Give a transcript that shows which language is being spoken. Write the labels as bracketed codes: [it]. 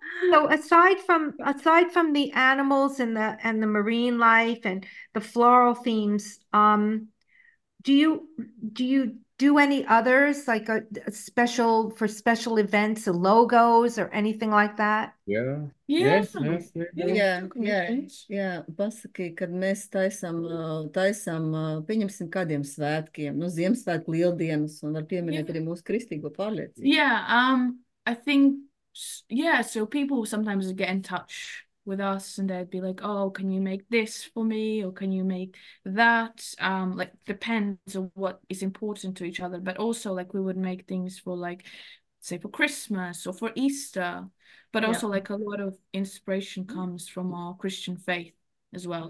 [en] So aside from the animals and the marine life and the floral themes, do you do any others, like special events, logos or anything like that? Yes. [lv] Pasaki, kad mēs taisam, piņemsim kādiem svētkiem, no Ziemassvētku lieldienas, un var pieminēt arī mūsu kristīgo pārliecību. [en] So people sometimes get in touch with us and they'd be like, oh, can you make this for me? Or can you make that? Like, depends on what is important to each other. But also, like, we would make things for, like, say, for Christmas or for Easter. But also, like, a lot of inspiration comes from our Christian faith as well.